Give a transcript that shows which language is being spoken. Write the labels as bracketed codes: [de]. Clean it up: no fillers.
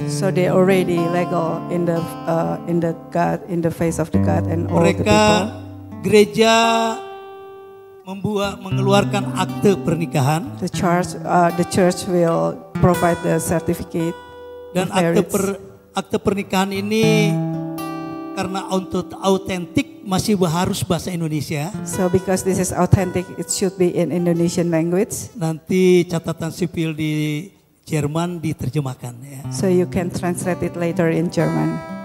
[en] So they already legal in the God, in the face of the God and all [id] mereka, [en] the people. [id] Gereja membuat mengeluarkan akte pernikahan. [en] The church will provide the certificate. [id] Dan akte pernikahan ini karena untuk authentic masih harus bahasa Indonesia. [en] So because this is authentic, it should be in Indonesian language. [id] Nanti catatan sipil di Jerman diterjemahkan ya. [en] So you can translate it later in German.